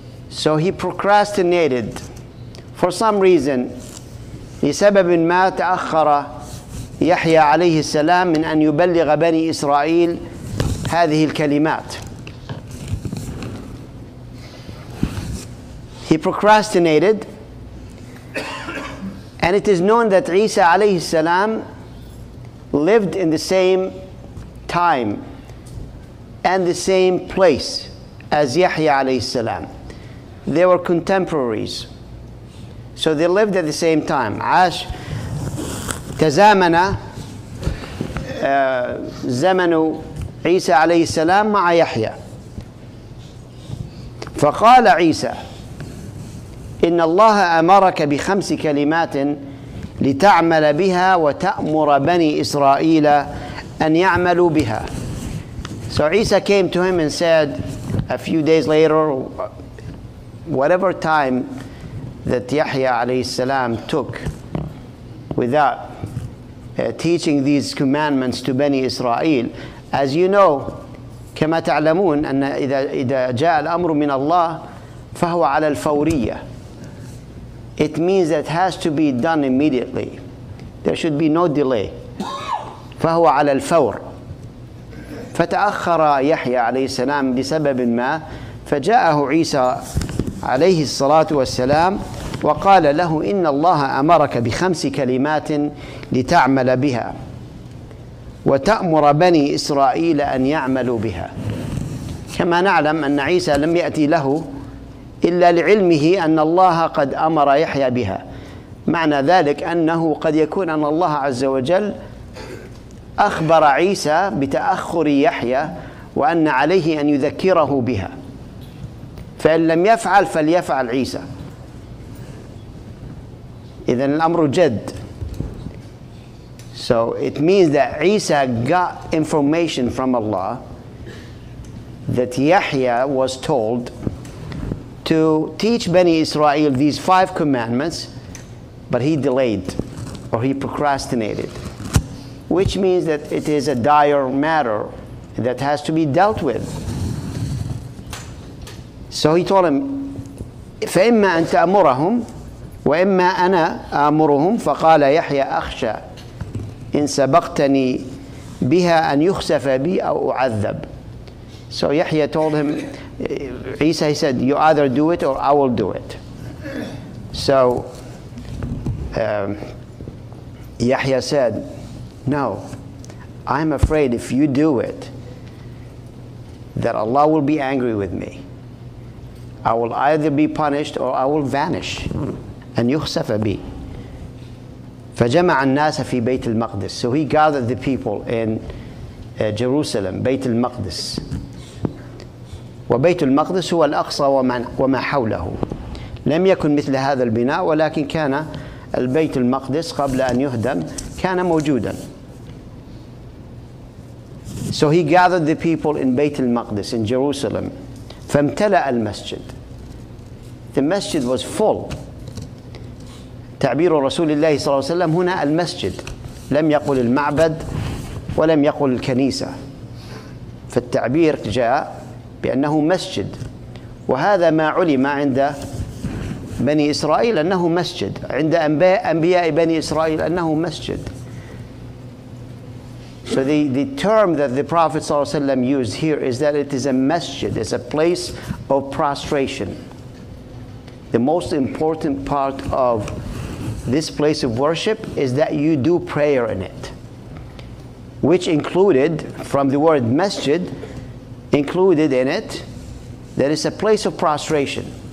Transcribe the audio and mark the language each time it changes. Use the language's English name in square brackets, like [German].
[English] So he procrastinated for some reason. [Arabic] لسبب ما تأخر يحيى عليه السلام من أن يبلغ بني إسرائيل هذه الكلمات. [English] He procrastinated, and it is known that [Arabic] عيسى عليه السلام [English] lived in the same time and the same place as Yahya alayhi salam. They were contemporaries. So they lived at the same time. [Arabic] عاش تزامن زمن عيسى عليه السلام مع يحيى. فقال عيسى إن الله أمرك بخمس كلمات لتعمل بها وتأمر بني إسرائيل أن يعملوا بها. [English] So عيسى came to him and said a few days later, whatever time that Yahya alayhi salam took without teaching these commandments to Bani Israel, as you know, [Arabic] كما تعلمون أن إذا جاء الأمر من الله فهو على الفورية. [English] It means that has to be done immediately. There should be no delay. [Arabic] فهو على الفور. فتأخر يحيى عليه السلام لسبب ما، فجاءه عيسى عليه الصلاة والسلام وقال له إن الله أمرك بخمس كلمات لتعمل بها وتأمر بني إسرائيل أن يعملوا بها. كما نعلم أن عيسى لم يأتي له إلا لعلمه أن الله قد أمر يحيى بها. معنى ذلك أنه قد يكون أن الله عز وجل أخبر عيسى بتأخر يحيى وأن عليه أن يذكره بها، فإن لم يفعل فليفعل عيسى. إذن الأمر جد. [English] So it means that Isa got information from Allah that Yahya was told to teach Bani Israel these five commandments, but he delayed or he procrastinated, which means that it is a dire matter that has to be dealt with. So he told him, [Arabic] فَإِمَّا أَن تَأْمُرَهُمْ وَإِمَّا أَنَا أَأْمُرُهُمْ فَقَالَ يَحْيَى أَخْشَى إِن سَبَقْتَنِي بِهَا أَن يُخْسَفَ بِي أَوْ أُعَذَّبْ. [English] So Yahya told him, Isa, he said, you either do it or I will do it. So Yahya said, no, I'm afraid if you do it that Allah will be angry with me. I will either be punished or I will vanish. [Arabic] أن يخسف بي. فجمع الناس في بيت المقدس. [English] So he gathered the people in Jerusalem, بيت المقدس. [Arabic] وبيت المقدس هو الأقصى وما حوله. لم يكن مثل هذا البناء، ولكن كان البيت المقدس قبل أن يهدم كان موجودا. [English] So he gathered the people in بيت المقدس in Jerusalem. [Arabic] فامتلأ المسجد. [English] The masjid was full. [Arabic] تعبير رسول الله صلى الله عليه وسلم هنا المسجد، لم يقل المعبد ولم يقل الكنيسة، فالتعبير جاء بأنه مسجد، وهذا ما علم عند بني إسرائيل أنه مسجد، عند أنبياء بني إسرائيل أنه مسجد. [English] So the term that the Prophet [Arabic] صلى الله عليه وسلم [English] used here is that it is a masjid, it's a place of prostration. The most important part of this place of worship is that you do prayer in it, which included from the word masjid, included in it that is a place of prostration.